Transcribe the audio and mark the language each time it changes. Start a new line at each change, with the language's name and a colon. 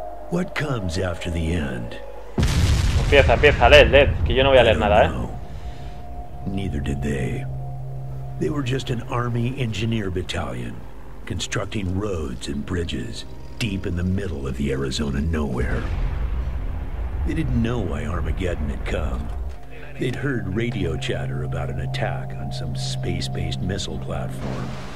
English: What comes after the end?
Spanish: Empieza, empieza, led, que yo no voy a leer nada, ¿eh?
English: Neither did they. They were just an army engineer battalion, constructing roads and bridges deep in the middle of the Arizona nowhere. They didn't know why Armageddon had come. They'd heard radio chatter about an attack on some space-based missile platform.